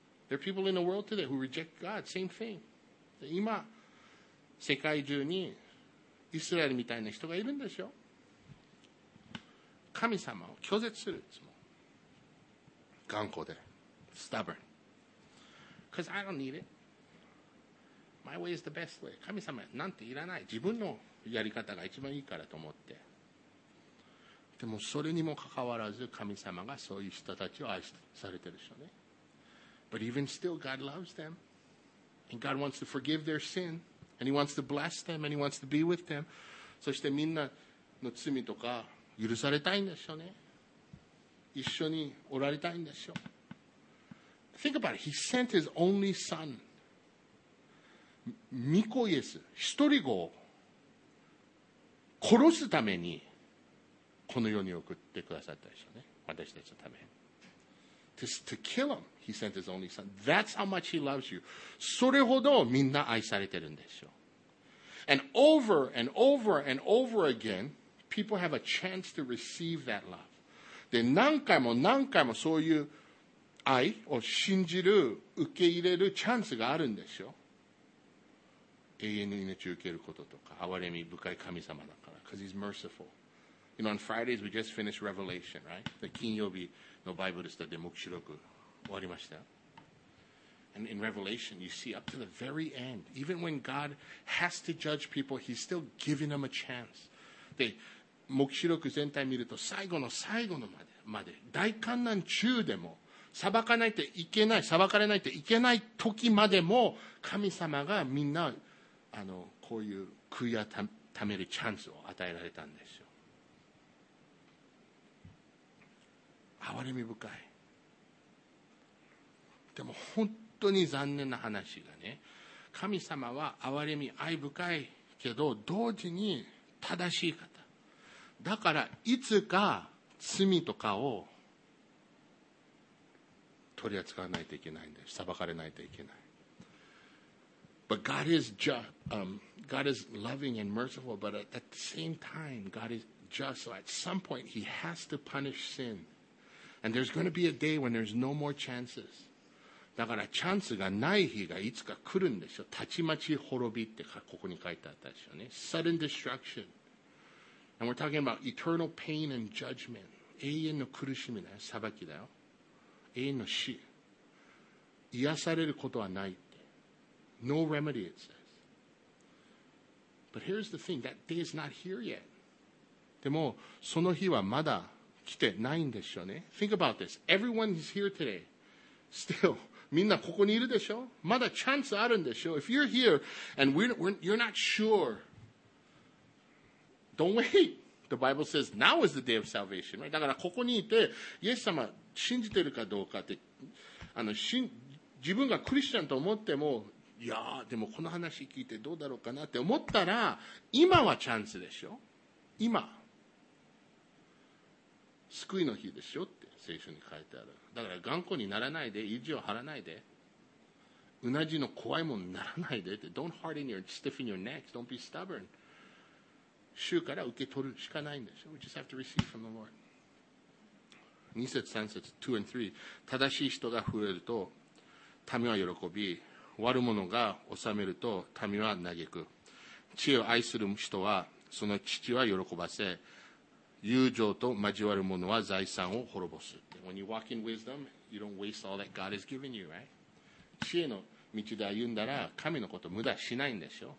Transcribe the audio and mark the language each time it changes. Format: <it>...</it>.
<en>There are people in the world today who reject God. Same thing.</en> <ja>今、世界中にイスラエルみたいな人がいるんでしょ。神様を拒絶するいつも。頑固で。</ja> <en>Stubborn. Because I don't need it. My way is the best way.</en> <ja>神様なんていらない。自分のやり方が一番いいからと思って。でもそれにもかかわらず神様がそういう人たちを愛されてるでしょうね。</ja> <en>But even still, God loves them. And God wants to forgive their sin. And he wants to bless them. And he wants to be with them.</en> <ja>そしてみんなの罪とか許されたいんでしょうね。一緒におられたいんでしょう。</ja> <en>Think about it. He sent his only son.</en> <ja>巫女イエス、一人子を殺すためにこの世に送ってくださったでしょうね。私たちのため。</ja> <en>To kill him, he sent his only son. That's how much he loves you.</en> <ja>それほどみんな愛されてるんでしょう。</ja> <en>And over and over and over again, people have a chance to receive that love.</en> <ja>で、何回も何回もそういう愛を信じる、受け入れるチャンスがあるんでしょ。永遠の命を受けることとか、憐れみ深い神様だから。</ja> <en>Because he's merciful. You know, on Fridays we just finished Revelation, right?</en> <ja>The 金曜日のバイブルスタで黙示録終わりました。</ja> <en>And in Revelation, you see up to the very end, even when God has to judge people, he's still giving them a chance.</en> <ja>で、黙示録全体見ると、最後の最後のまで、大患難中でも、裁かれないといけない時までも神様がみんなこういう悔い改めるチャンスを与えられたんですよ。哀れみ深い。でも本当に残念な話がね、神様は哀れみ愛深いけど同時に正しい方だから、いつか罪とかを取り扱わないといけないんです。裁かれないといけない。</ja> <en>But God is God is loving and merciful, but at the same time, God is just. So at some point, He has to punish sin. And there's going to be a day when there's no more chances.</en> <ja>だからチャンスがない日がいつか来るんでしょ。たちまち滅びってここに書いてあったでしょうね。</ja> <en>Sudden destruction. And we're talking about eternal pain and judgment.</en> <ja>永遠の苦しみだよ。裁きだよ。永遠の死、癒されることはないって。</ja> <en>No remedy, it says. But here's the thing, that day is not here yet.</en> <ja>でも、その日はまだ来てないんでしょうね。</ja> <en>Think about this. Everyone is here today. Still,</en> <ja>みんなここにいるでしょ？まだチャンスあるんでしょ？</ja> <en>If you're here and you're not sure, don't wait. The Bible says, now is the day of salvation. Right?</en> <ja>だからここにいて、イエス様、信じてるかどうかって、自分がクリスチャンと思っても、いやーでもこの話聞いてどうだろうかなって思ったら、今はチャンスでしょ。今救いの日でしょって聖書に書いてある。だから頑固にならないで、意地を張らないで、うなじの怖いものにならないでって。</ja> <en>Don't harden your stiffen your neck. Don't be stubborn.</en> <ja>主から受け取るしかないんでしょ。</ja> <en>We just have to receive from the Lord.</en> <ja>2節3節、2 and 3、 正しい人が増えると民は喜び、悪者が治めると民は嘆く。知恵を愛する人はその父は喜ばせ、友情と交わる者は財産を滅ぼす。</ja> <en>When you walk in wisdom, you don't waste all that God has given you, right?</en> <ja>知恵の道で歩んだら神のこと無駄しないんでしょ。</ja>